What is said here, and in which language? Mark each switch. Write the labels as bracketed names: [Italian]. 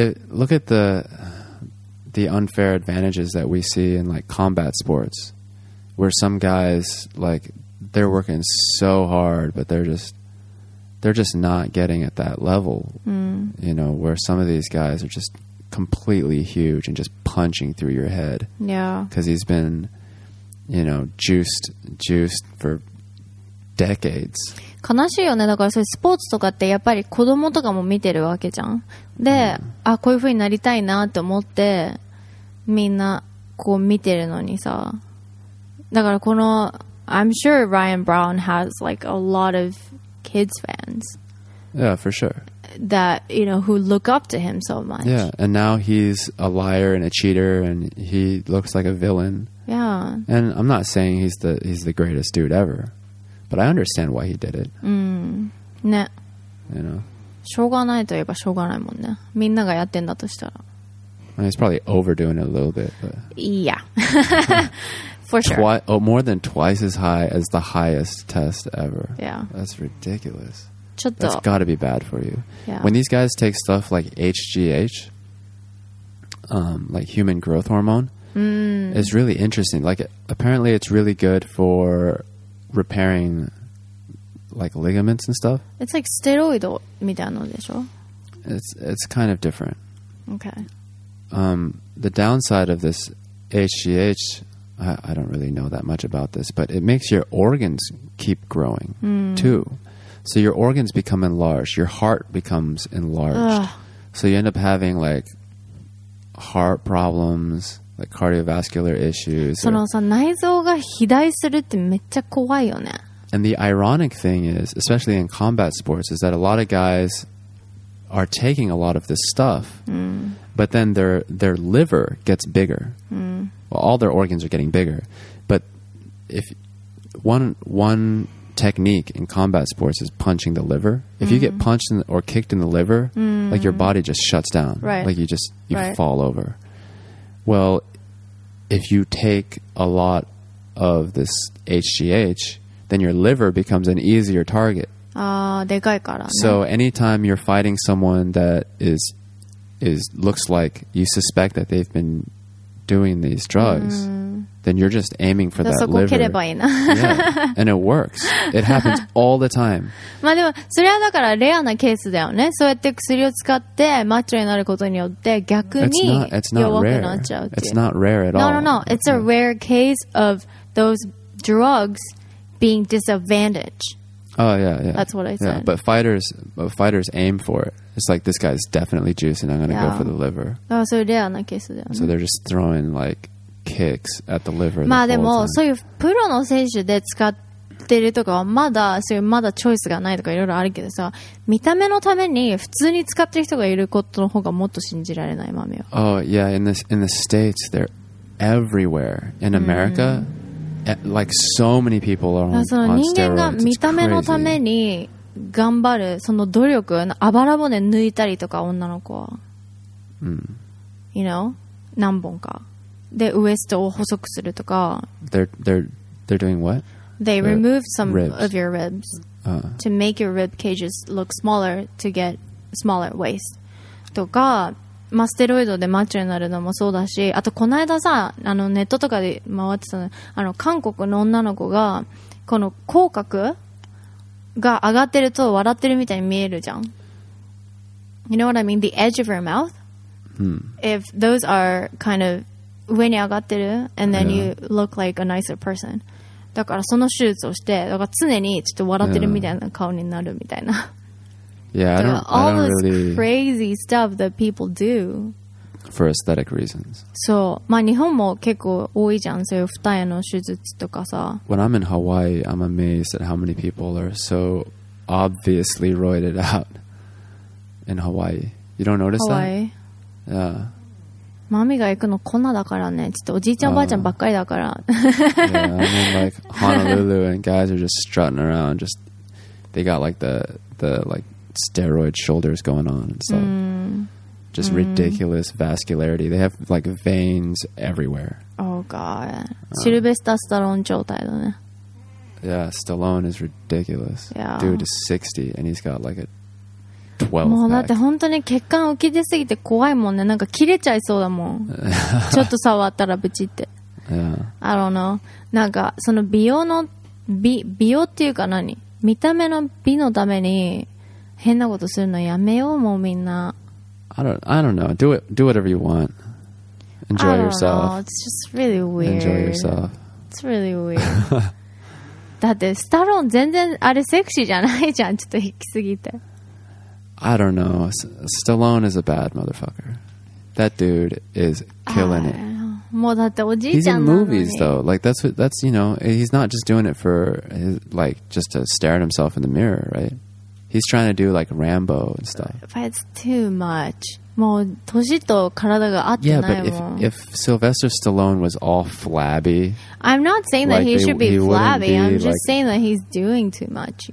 [English] look at the unfair advantages that we see in like combat sports, where some guys, like, they're working so hard, but they're just not getting at that level, you know, where some of these guys are just completely huge and just punching through your head. Yeah. Because he's been, you know, juiced for decades. [Japanese] 悲しいよね。だからそういうスポーツとかってやっぱり子供とかも見てるわけじゃん。で、あ、こういう風になりたいなって思って、みんなこう見てるのにさ。だからこの、 [English] I'm sure Ryan Brown has like a lot of kids fans. Yeah, for sure. That, you know, who look up to him so much. Yeah, and now he's a liar and a cheater and he looks like a villain. Yeah. And I'm not saying he's the greatest dude ever. But I understand why he did it. [Japanese] ね。 [English] You know? [Japanese] しょうがないといえばしょうがないもんね。みんながやってんだとしたら。 [English] And he's probably overdoing it a little bit. But yeah. For sure. More than twice as high as the highest test ever. Yeah. That's ridiculous. [Japanese] ちょっと。 [English] That's gotta be bad for you. Yeah. When these guys take stuff like HGH, like human growth hormone, it's really interesting. Like, apparently it's really good for repairing like ligaments and stuff. It's like steroid [Japanese] みたいなのでしょ? [English] It's kind of different. Okay. The downside of this HGH, I don't really know that much about this, but it makes your organs keep growing too. So your organs become enlarged. Your heart becomes enlarged. Ugh. So you end up having like heart problems, like cardiovascular issues. [Japanese] そのさ、内臓が肥大するってめっちゃ怖いよね。 [English] And the ironic thing is, especially in combat sports, is that a lot of guys are taking a lot of this stuff, but then their liver gets bigger. Well, all their organs are getting bigger. But if one technique in combat sports is punching the liver, if you get punched or kicked in the liver, like your body just shuts down. Right. Like you fall over. Well, if you take a lot of this HGH, then your liver becomes an easier target. [Japanese] でかいからね。 [English] So anytime you're fighting someone that is looks like you suspect that they've been doing these drugs, then you're just aiming for that liver. Yeah. And it works. It happens all the time. [Japanese] まあでもそれはだからレアなケースだよね。そうやって薬を使ってマッチョになることによって逆に弱くなっちゃうっていう。 [English] It's not rare at all. No. It's a rare case of those drugs being disadvantaged. Oh, yeah. That's what I said. Yeah, but fighters aim for it. It's like, this guy's definitely juicing, I'm going to go for the liver. Oh, so [Japanese] レアなケースだよね。 [English] So they're just throwing like... kicks at the liver. [Japanese] まあでもそういうプロの選手で使ってるとかはまだそういうまだチョイスがないとかいろいろあるけどさ、見た目のために普通に使ってる人がいることの方がもっと信じられないマミは。 [English] Oh yeah, in the States they're everywhere. In America, like so many people are on steroids. [Japanese] その人間が見た目のために頑張るその努力、あばら骨抜いたりとか女の子は、you know, 何本か。でウエストを細くするとか [English] they're doing what? They removed some ribs. Of your ribs to make your rib cages look smaller to get smaller waist [Japanese] とか、まあ、ステロイドでマッチョになるのもそうだし、あとこの間さあのネットとかで回ってたの、あの韓国の女の子がこの口角が上がってると笑ってるみたいに見えるじゃん。 [English] You know what I mean? The edge of her mouth、 if those are kind of [Japanese] 上に上がってる [English] and then you look like a nicer person、 [Japanese] だからその手術をしてだから常にちょっと笑ってるみたいな顔になるみたいな。 [English] Yeah, I don't really all this crazy stuff that people do for aesthetic reasons. [Japanese] そう、まあ日本も結構多いじゃん、そういう二重の手術とかさ。 [English] When I'm in Hawaii, I'm amazed at how many people are so obviously roided out in Hawaii. You don't notice Hawaii. that? Yeah. [Japanese] マミが行くの粉だからね。ちょっとおじいちゃんおばあちゃんばっかりだから。 [English] Yeah, I mean like Honolulu and guys are just strutting around. Just, they got like the like steroid shoulders going on and stuff. Just ridiculous vascularity. They have like veins everywhere. Oh god. [Japanese] シルベスタ・スタローン状態だね。 [English] Yeah, Stallone is ridiculous. Yeah. Dude is 60 and he's got like a... [Japanese] もうだって本当に血管浮き出すぎて怖いもんね。なんか切れちゃいそうだもん。ちょっと触ったらブチって。 [English] Yeah. I don't know。 [Japanese] なんかその美容の美容っていうか何？見た目の美のために変なことするのやめようもうみんな。 [English] I don't know. Do whatever you want. Enjoy yourself. It's just really weird. Enjoy yourself. It's really weird. [Japanese] だってスタロン全然あれセクシーじゃないじゃん。ちょっと引きすぎて。 [English] I don't know. Stallone is a bad motherfucker. That dude is killing it. [Japanese] もうだっておじいちゃんなのに。 [English] He's in movies though. Like that's you know, he's not just doing it for his, like just to stare at himself in the mirror, right? He's trying to do like Rambo and stuff. But it's too much. [Japanese] もう年と体が合ってないもん。 [English] Yeah, but if Sylvester Stallone was all flabby, I'm not saying that he should be flabby. I'm just saying that he's doing too much.